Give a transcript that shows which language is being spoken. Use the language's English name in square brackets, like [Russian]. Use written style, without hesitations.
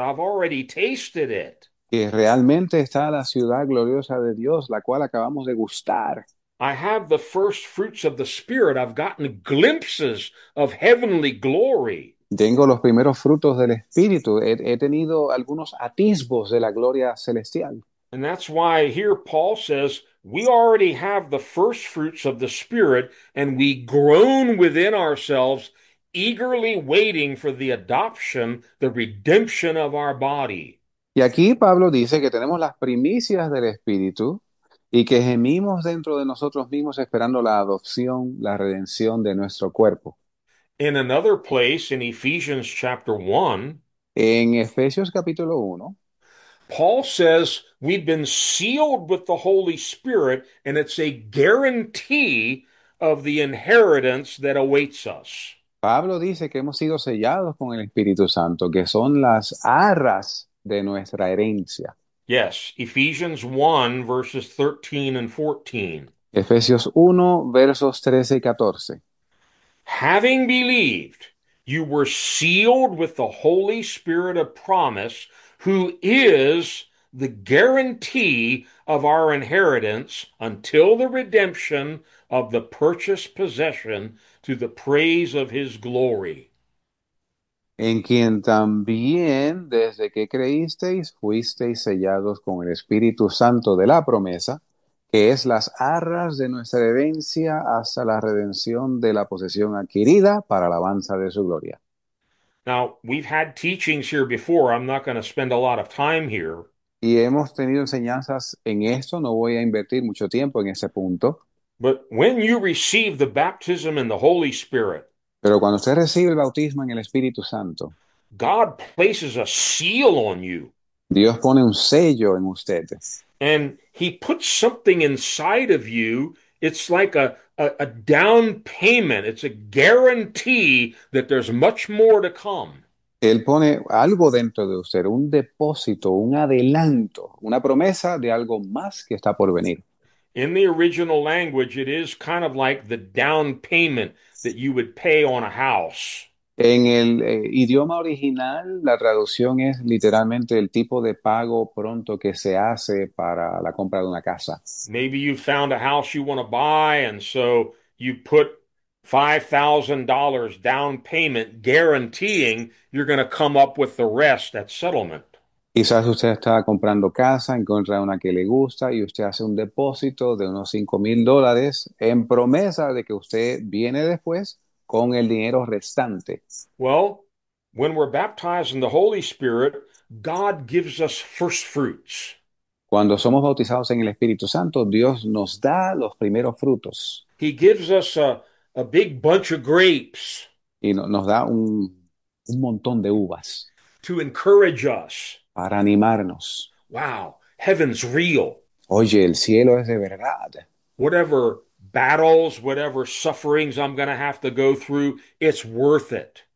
[English] I've already tasted it. [Spanish] Que realmente está la ciudad gloriosa de Dios, la cual acabamos de gustar. [English] I have the first fruits of the Spirit. I've gotten glimpses of heavenly glory. [Spanish] Tengo los primeros frutos del Espíritu. He tenido algunos atisbos de la gloria celestial. [English] And that's why here Paul says, we already have the first fruits of the Spirit, and we groan within ourselves, eagerly waiting for the adoption, the redemption of our body. [Spanish] Y aquí Pablo dice que tenemos las primicias del Espíritu y que gemimos dentro de nosotros mismos esperando la adopción, la redención de nuestro cuerpo. [English] In another place, in Ephesians chapter 1, [Spanish] En Efesios capítulo 1. [English] Paul says, we've been sealed with the Holy Spirit, and it's a guarantee of the inheritance that awaits us. [Spanish] Pablo dice que hemos sido sellados con el Espíritu Santo, que son las arras de nuestra herencia. [English] Yes, Ephesians 1, verses 13 and 14. [Spanish] Efesios 1, versos 13 y 14. [English] Having believed, you were sealed with the Holy Spirit of promise, who is the guarantee of our inheritance until the redemption of the purchased possession to the praise of his glory. [Spanish] En quien también, desde que creísteis, fuisteis sellados con el Espíritu Santo de la promesa, que es las arras de nuestra herencia hasta la redención de la posesión adquirida para alabanza de su gloria. [English] Now, we've had teachings here before. I'm not going to spend a lot of time here. [Spanish] Y hemos tenido enseñanzas en esto, no voy a invertir mucho tiempo en ese punto. [English] But when you receive the baptism in the Holy Spirit, [Spanish] Pero cuando usted recibe el bautismo en el Espíritu Santo, [English] God places a seal on you. [Spanish] Dios pone un sello en usted. [English] And He puts something inside of you. It's like a down payment. It's a guarantee that there's much more to come. [Spanish] Él pone algo dentro de usted, un depósito, un adelanto, una promesa de algo más que está por venir. [English] In the original language, it is kind of like the down payment that you would pay on a house. [Spanish] En el idioma original, la traducción es literalmente el tipo de pago pronto que se hace para la compra de una casa. [English] Maybe you found a house you want to buy, and so you put $5,000 down payment, guaranteeing you're going to come up with the rest at settlement. [Spanish] Quizás usted está comprando casa, encuentra una que le gusta y usted hace un depósito de unos $5,000 en promesa de que usted viene después con el dinero restante. [English] Well, when we're baptized in the Holy Spirit, God gives us first fruits. [Spanish] Cuando somos bautizados en el Espíritu Santo, Dios nos da los primeros frutos. [English] He gives us a big bunch of grapes [Spanish] Y no, nos da un montón de uvas [English] to encourage us. [Spanish] para animarnos. [English] Wow, heaven's real. [Spanish] Oye, el cielo es de verdad. [English] Whatever battles, whatever sufferings I'm going to have to go through, it's worth it.